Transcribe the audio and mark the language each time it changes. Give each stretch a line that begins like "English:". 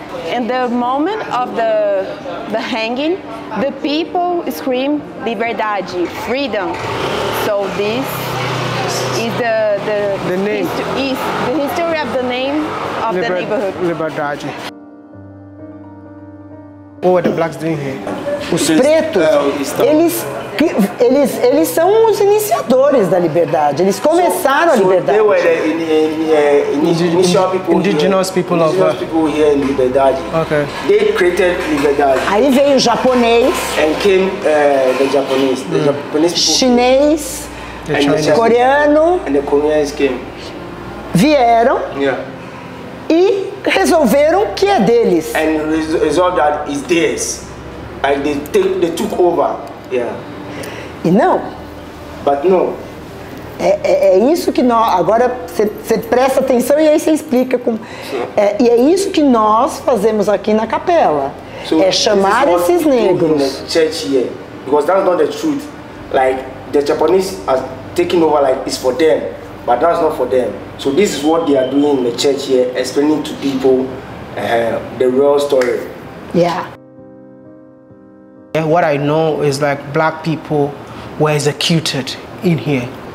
English: In the moment of the hanging, the people scream Liberdade, freedom. So this is the name. Is the history of the name of the neighborhood. Liberdade. What were the blacks doing here?
Portuguese: Os pretos, eles são os iniciadores da liberdade. Eles começaram a liberdade.
English: So they were the indigenous people here in Liberdade. Okay. They created Liberdade.
Portuguese: Aí veio o japonês.
English: And came the Japanese. The Japanese people.
Portuguese: Chinês.
English: The
Portuguese: coreano.
English: And the Koreans came.
Portuguese: Vieram.
English: Yeah.
Portuguese: E resolveram que é deles.
English: And resolved that it's theirs. And they took over. Yeah.
Portuguese: E não.
English: But no.
Portuguese: É isso que nós. Agora você presta atenção e aí você explica como.
English: Sure.
Portuguese: E é isso que nós fazemos aqui na capela.
English: So
Portuguese: é chamar
English: this is
Portuguese: esses negros.
English: In the church here. Because that's not the truth. Like, the Japanese are taking over, like, it's for them. But that's not for them. So this is what they are doing in the church here, explaining to people the real story. Yeah. And what I know is like black people were executed in here.